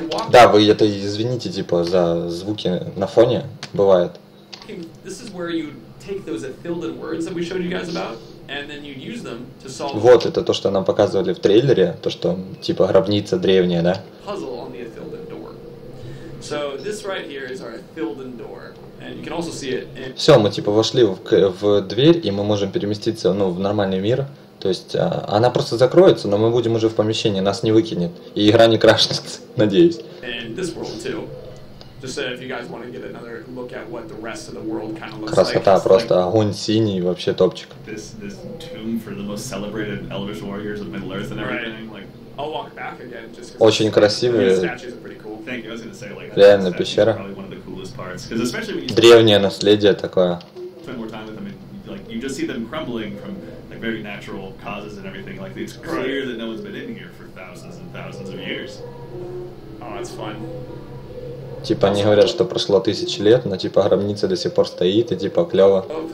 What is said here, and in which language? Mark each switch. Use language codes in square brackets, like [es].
[ru] Да, вы это извините, типа, за звуки на фоне. Бывает. [en] This is where you take those Ithildan words that we showed you guys about. And then you use them to solve... [ru] Вот, это то, что нам показывали в трейлере, то, что, типа, гробница древняя, да? [en] Puzzle on the Ithildan door. So, this right here is our Ithildan door. And you can also see it... In... [ru] Все, мы, типа, вошли в дверь, и мы можем переместиться, ну, в нормальный мир. То есть, она просто закроется, но мы будем уже в помещении, нас не выкинет. И игра не крашнется, надеюсь. [en] And this world, too. Just if you guys want to get another look at what the rest of the world kind of looks [ru] красота, [en] like. [ru] Красота, просто огонь синий, вообще топчик. [en] This tomb for the most celebrated Elvish warriors of Middle-earth and everything. Like, I'll walk back again just because... [ru] Очень красивые. [en] The statues are pretty cool. Thank you, I was going to say, like, [ru] реально, пещера. [en] Probably one of the coolest parts. Because especially when you... [ru] Древнее наследие такое. [en] Spend more time with them, like, you just see them crumbling from, like, very natural causes and everything. Like, it's clear that no one's been in here for thousands and thousands of years. Oh, it's fun. [ru] Типа, они говорят, что прошло тысячи лет, но, типа, гробница до сих пор стоит, и, типа, клёво.